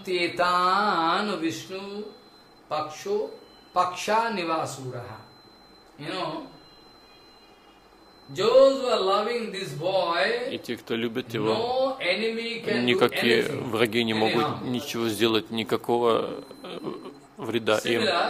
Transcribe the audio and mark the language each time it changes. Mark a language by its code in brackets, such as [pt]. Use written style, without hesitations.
[sa] Обибабантетан Вишну Пакшо Пакша Нивасураха. [en] You know, those who are loving this boy, [ru] и те, кто любит его, [en] no enemy can [ru] никакие [en] do anything. [ru] Враги не могут ничего сделать, никакого вреда им.